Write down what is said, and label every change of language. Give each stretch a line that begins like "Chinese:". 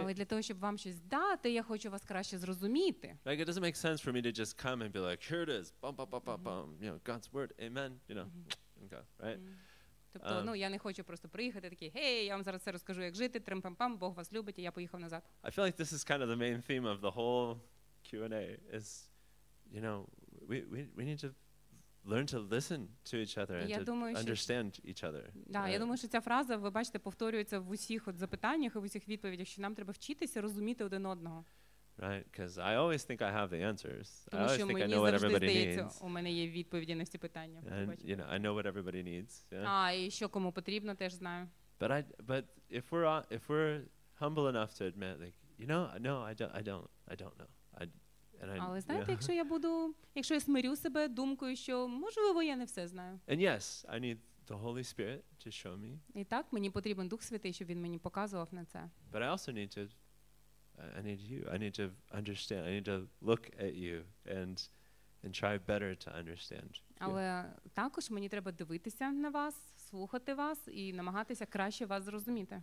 Ukrainian: Але для того, щоб вам щось дати, я хочу вас краще зрозуміти.
English: Like, it doesn't make sense for me to just come and be like, here it is, bum, bum, bum, bum, bum, you know, God's word, amen, you know, mm-hmm. Okay, right?
Ukrainian: Тобто, ну, я не хочу просто приїхати такий, гей, я вам зараз це розкажу, як жити, трим-пам-пам, Бог вас любить, і я поїхав назад.
English: I feel like this is kind of the main theme of the whole Q&A, is, you know, we need to learn to listen to each other and understand each other.
Ukrainian: Да, я думаю, що ця фраза, ви бачите, повторюється в усіх от запитаннях і в усіх відповідях, що нам треба вчитися розуміти один одного.
English: Right, because I always think I have the answers.
Ukrainian: Тому що мені завжди здається, у мене є відповіді на всі питання.
English: And, you know, I know what everybody needs. Yeah.
Ukrainian: А, і що кому потрібно, теж знаю.
English: But if we're humble enough to admit, like, you know, no, I don't know.
Ukrainian: Але знаєте, якщо я смирю себе думкою, що, можливо, я не все знаю.
English: And yes, I need the Holy Spirit to show me.
Ukrainian: І так, мені потрібен Дух Святий, щоб він мені показував на це.
English: But I also need you. I need to understand. I need to look at you and try better to understand.
Ukrainian: Але також мені треба дивитися на вас, слухати вас і намагатися краще вас зрозуміти.